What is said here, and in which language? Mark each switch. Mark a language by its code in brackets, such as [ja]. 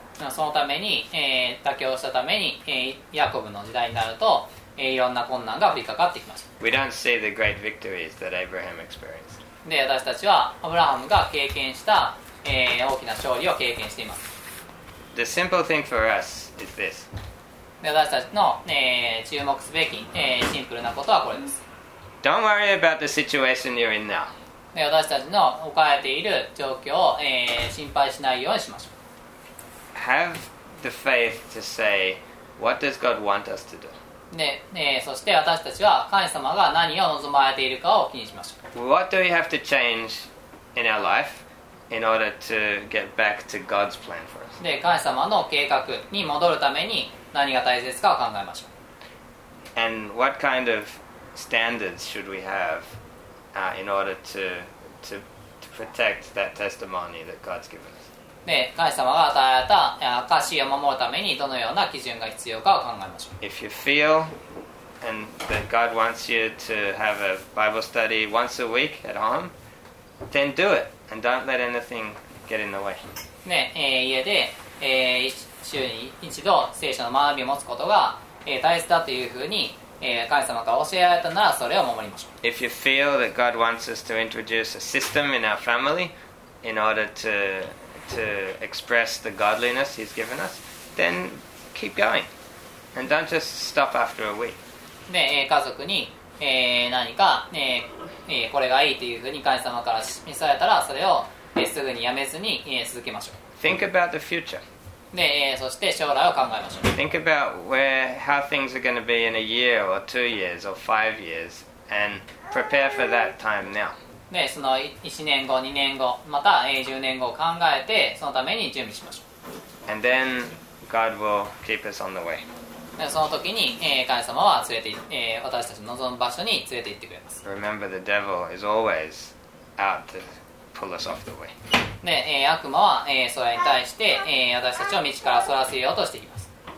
[ja] そのために、妥協したために、ヤコブの時代になると、いろんな困難が降りかかってきました。 [en] We don't see the great victories that Abraham experienced. [ja] で、私たちはアブラハムが経験した、大きな勝利を経験しています。 [en] The simple thing for us is this. [ja] で、私たちの、注目すべき、シンプルなことはこれです。 [en] Don't worry about the situation you're in now. [ja] で、私たちの置かれている状況を、心配しないようにしましょう。 [en] Have the faith to say, what does God want us to do? [ja] そして私たちは神様が何を望まれているかを気にしましょう。 [en] What do we have to change in our life in order to get back to God's plan for us? [ja] 神様の計画に戻るために何が大切かを考えましょう。 [en] And what kind of standards should we have in order to protect that testimony that God's given us? [ja] で、神様が与えられた証を守るためにどのような基準が必要かを考えましょう。 [en] If you feel and that God wants you to have a Bible study once a week at home, then do it and don't let anything get in the way. [ja] で、家で、週に一度聖書の学びを持つことが、大切だというふうに、神様から教えられたならそれを守りましょう。 [en] If you feel that God wants us to introduce a system in our family in order to express the godliness he's given us, then keep going. And don't just stop after a week. [ja] で、家族に、何か、これがいいというふうに神様から示されたら、それを、すぐにやめずに、続けましょう。 [en] Think about the future. [ja] で、そして将来を考えましょう。 [en] Think about where, how things are going to be in a year or 2 years or 5 years and prepare for that time now. [ja] で、その1年後、2年後、また10年後を考えて、そのために準備しましょう。 [en] And then God will keep us on the way. [ja] その時に神様は連れて、私たちの望む場所に連れて行ってくれます。 [en] Remember, the devil is always out to pull us off the way. [ja] で、悪魔は、それに対して、私たちを道からそらせようとしていきます。